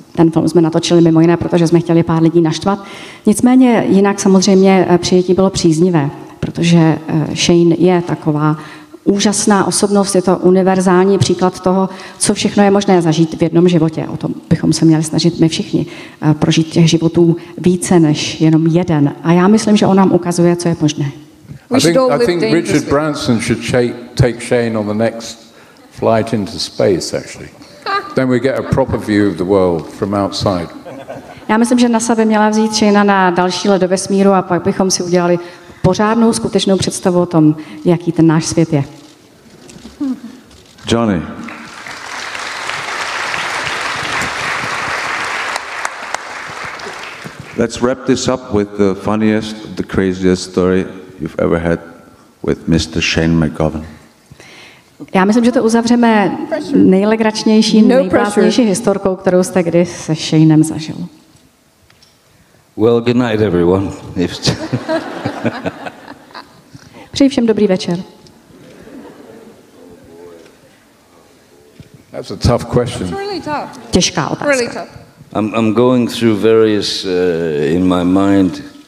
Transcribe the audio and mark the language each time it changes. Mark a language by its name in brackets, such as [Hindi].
[Czech] Ten film jsme natočili mimo jiné, protože jsme chtěli pár lidí naštvat. Nicméně jinak samozřejmě přijetí bylo příznivé, protože Shane je taková úžasná osobnost, je to univerzální příklad toho, co všechno je možné zažít v jednom životě. O tom bychom se měli snažit my všichni prožít těch životů více než jenom jeden. A já myslím, že on nám ukazuje, co je možné. [English] I think Richard Branson should take Shane on the next flight into space, actually. Then we get a proper view of the world from outside. [Czech] Já myslím, že NASA by měla vzít Shane na další let do vesmíru a pak bychom si udělali pořádnou skutečnou představu o tom, jaký ten náš svět je. [English] Johnny. Let's wrap this up with the funniest, the craziest story you've ever had with Mr. Shane McGovern. [Czech] Já myslím, že to uzavřeme nejlegračnější, nejplácnější historkou, kterou jste kdy se Shaneem zažil. [English] Well, good night, everyone. [Czech] Přeji všem dobrý večer. [English] That's a tough question. It's really tough. [Czech] Těžká otázka. [English] Really tough. I'm going through various in my mind.